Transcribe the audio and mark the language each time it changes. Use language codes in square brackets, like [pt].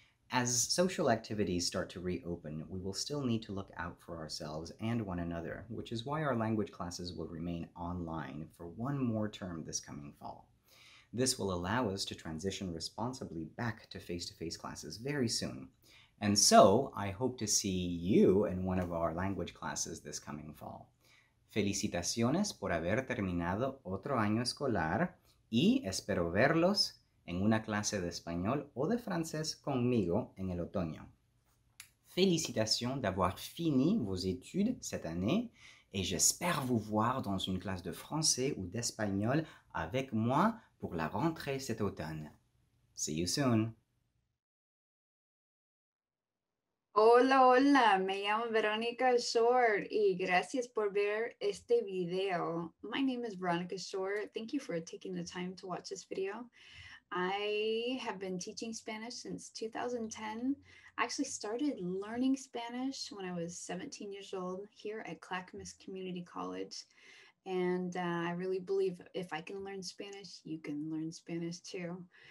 [en] As social activities start to reopen, we will still need to look out for ourselves and one another, which is why our language classes will remain online for one more term this coming fall. This will allow us to transition responsibly back to face-to-face classes very soon. And so, I hope to see you in one of our language classes this coming fall. [es] Felicitaciones por haber terminado otro año escolar y espero verlos en una clase de español o de francés conmigo en el otoño. [fr] Félicitations d'avoir fini vos études cette année et j'espère vous voir dans une classe de français ou d'espagnol avec moi pour la rentrée cet automne. [en] See you soon! [es] Hola, hola, me llamo Veronica Short y gracias por ver este video. [en] My name is Veronica Short. Thank you for taking the time to watch this video. I have been teaching Spanish since 2010. I actually started learning Spanish when I was 17 years old here at Clackamas Community College. And I really believe if I can learn Spanish, you can learn Spanish too.